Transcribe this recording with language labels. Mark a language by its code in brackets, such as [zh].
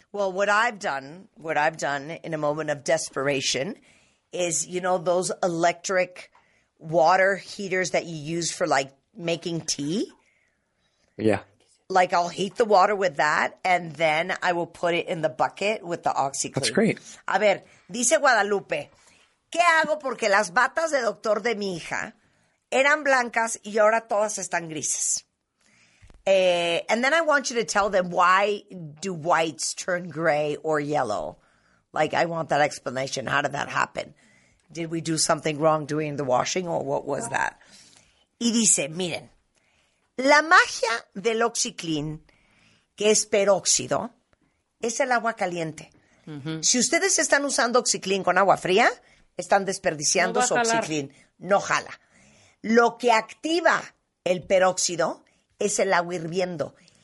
[en] Well, what I've done in a moment of desperation is, you know, those electric water heaters that you use for like making tea? Yeah. Like, I'll heat the water with that, and then I will put it in the bucket with the OxiClean. That's great. [es] A ver, dice Guadalupe, ¿qué hago porque las batas de doctor de mi hija eran blancas y ahora todas están grises? [en] And then I want you to tell them, why do whites turn gray or yellow? Like, I want that explanation. How did that happen? Did we do something wrong doing the washing, or what was that? [es] Y dice, miren. La magia del OxiClean, que es peróxido, es el agua caliente. Mm-hmm. Si ustedes están usando OxiClean con agua fría, están desperdiciando no su OxiClean. No jala. Lo que activa el peróxido es el agua hirviendo.